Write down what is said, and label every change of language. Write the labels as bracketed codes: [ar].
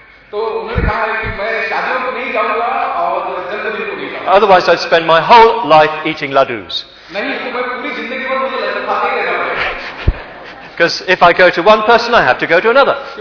[hi] तो उन्होंने कहा है कि मैं शादियों को नहीं जाऊंगा और जन्मदिन को नहीं जाऊंगा. [en] Otherwise I'd spend my whole life eating laddus. [hi] नहीं तो मैं पूरी जिंदगी भर मुझे लड्डू खाते ही रहना पड़ेगा. [en] Because if I go to one person, I have to go to another.